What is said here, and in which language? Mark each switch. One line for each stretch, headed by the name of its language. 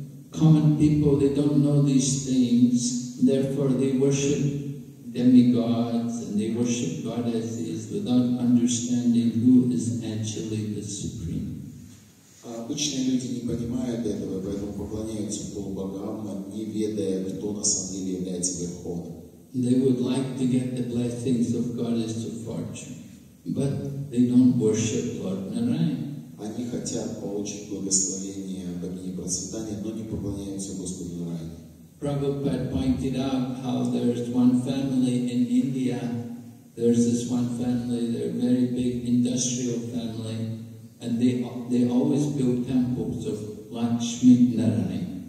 English: Common people, they don't know these things, therefore they worship demigods and they worship goddesses without understanding who is actually the supreme.
Russian: Обычные люди не понимают этого, поэтому поклоняются полубогам, не ведая, кто на самом деле является верховным.
English: They would like to get the blessings of goddess of fortune, but they don't worship Lord Narayana.
Russian: Они хотят получить благословение богини процветания, но не поклоняются Господу Нараяне.
English: Prabhupada pointed out how there's one family in India, there's this one family, they're a very big industrial family, and they always build temples of Lakshmi Narayana.